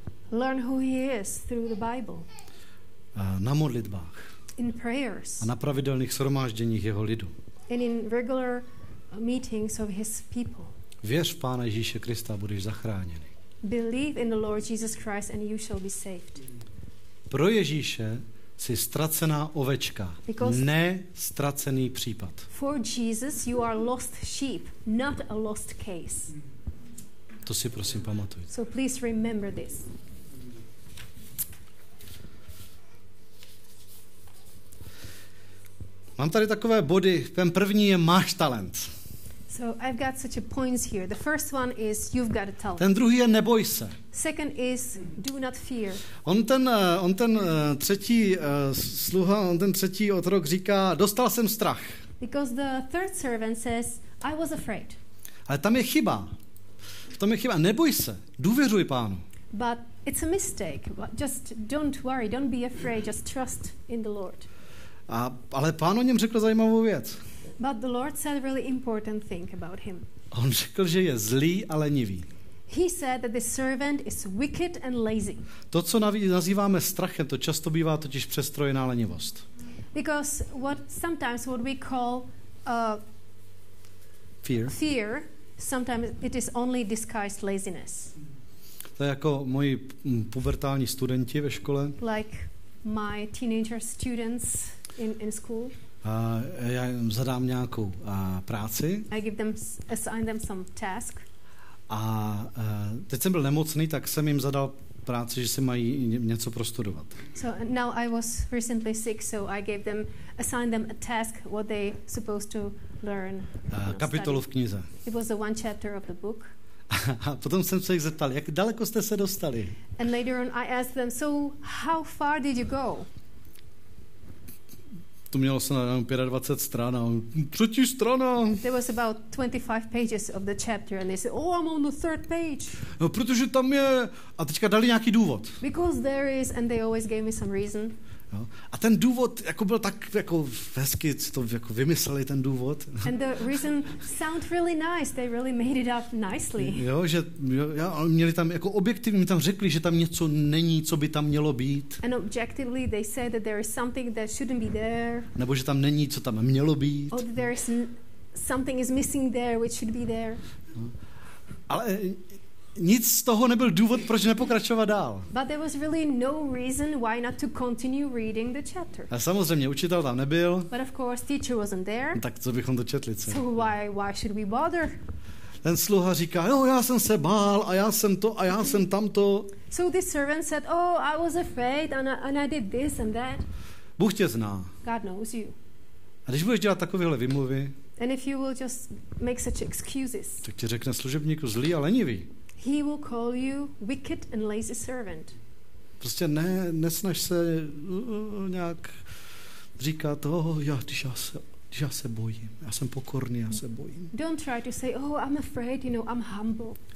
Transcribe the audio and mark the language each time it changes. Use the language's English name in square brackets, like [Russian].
[English] Learn who he is through the Bible. [Czech] Na modlitbách. [English] In prayers. [Czech] A na pravidelných shromážděních jeho lidu. [English] And in regular meetings of his people. [Czech] Věř v Pána Ježíše Krista, budeš zachráněný. [English] Believe in the Lord Jesus Christ and you shall be saved. [Czech] Pro Ježíše jsi ztracená ovečka, [English] because [Czech] ne ztracený případ. [English] For Jesus you are lost sheep, not a lost case. [Czech] To si prosím pamatuj. [English] So please remember this. [Czech] Mám tady takové body. Ten první je máš talent. [English] So I've got such a points here. The first one is you've got a talent. [Czech] Ten druhý je neboj se. [English] Second is do not fear. [Czech] On ten třetí otrok říká, dostal jsem strach. [English] Because the third servant says, I was afraid. [Czech] Ale tam je chyba. Tam je chyba. Neboj se. Důvěřuj Pánu. [English] But it's a mistake. Just don't worry. Don't be afraid. Just trust in the Lord. [Czech] Ale Pán o něm řekl zajímavou věc. [English] But the Lord said a really important thing about him. [Czech] On řekl, že je zlý a lenivý. [English] He said that the servant is wicked and lazy. [Czech] To, co nazýváme strachem, to často bývá totiž přestrojená lenivost. [English] Because what we call fear, sometimes it is only disguised laziness. [Czech] To je jako moji pubertální studenti ve škole. [English] Like my teenager students in school. [Czech] Já jim zadám nějakou práci. [English] I give them, assign them some task. [Czech] A teď jsem byl nemocný, tak jsem jim zadal práci, že si mají něco prostudovat. [English] So now I was recently sick, so I gave them, assigned them a task, what they supposed to learn. [Czech] Kapitolu v knize. [English] It was the one chapter of the book. [Czech] A potom jsem se jich zeptal, jak daleko jste se dostali? [English] And later on I asked them, so how far did you go? [Czech] To mělo se na 25 stran a třetí strana. [English] There was about 25 pages of the chapter and they said, oh, I'm on the third page. [Czech] No, protože tam je, a teďka dali nějaký důvod. [English] Because there is, and they always gave me some reason. [Czech] No. A ten důvod jako byl tak jako hezky, co to jako vymysleli ten důvod. [English] And the reason sound really nice. They really made it up nicely. [Czech] Jo, že jo, měli tam jako objektivně tam řekli, že tam něco není, co by tam mělo být. [English] And objectively they said that there is something that shouldn't be there. [Czech] Nebo že tam není, co tam mělo být. [English] Or that there is something is missing there which should be there. [Czech] Ale nic z toho nebyl důvod, proč nepokračovat dál. [English] But there was really no reason why not to continue reading the chapter. [Czech] A samozřejmě učitel tam nebyl. [English] But of course teacher wasn't there. [Czech] Tak co bychom to četli, co? [English] So why should we bother? [Czech] Ten sluha říká, jo, já jsem se bál, a já jsem to, a já jsem tamto. [English] So this servant said, oh, I was afraid, and I did this and that. [Czech] Bůh tě zná. [English] God knows you. [Czech] A když budeš dělat takovéhle vymluvy, [English] and if you will just make such excuses, [Czech] tak ti řekne služebníku zlý a lenivý. [English] He will call you wicked and lazy servant. [Czech] Prostě ne, nesnaž se nějak říkat, oh, já se bojím, já jsem pokorný, já se bojím. [English] Don't try to say, oh, I'm afraid, you know, I'm humble.